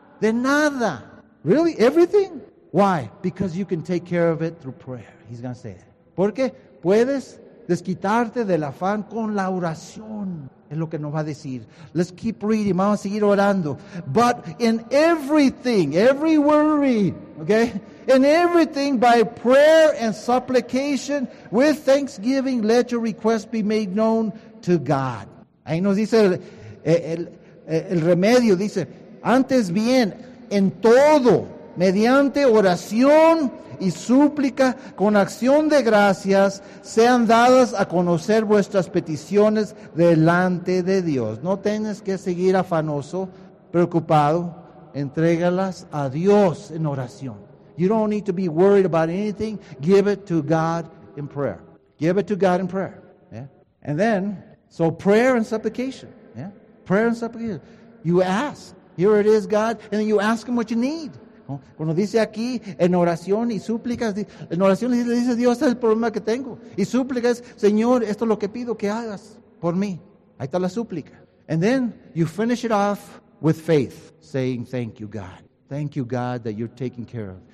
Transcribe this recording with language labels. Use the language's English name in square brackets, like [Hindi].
[Spanish] De nada. [English] Really? Everything? Why? Because you can take care of it through prayer. He's going to say that. [Spanish] Porque puedes desquitarte del afán con la oración. Es lo que nos va a decir. [English] Let's keep reading. [Spanish] Vamos a seguir orando. [English] But in everything, every worry, okay? In everything, by prayer and supplication, with thanksgiving, let your request be made known to God. [Spanish] Ahí nos dice el remedio. Dice, antes bien, en todo, mediante oración y súplica, con acción de gracias, sean dadas a conocer vuestras peticiones delante de Dios. No tienes que seguir afanoso, preocupado. Entrégalas a Dios en oración. [English] You don't need to be worried about anything. Give it to God in prayer. Give it to God in prayer. Yeah? And then, so prayer and supplication. Yeah? Prayer and supplication. You ask. Here it is, God. And then you ask Him what you need. [Spanish] Cuando dice aquí, en oración y súplicas, en oración le dice Dios, este es el problema que tengo. Y súplica es, Señor, esto es lo que pido que hagas por mí. Ahí está la súplica. [English] And then you finish it off with faith, saying, thank you, God. Thank you, God, that you're taking care of.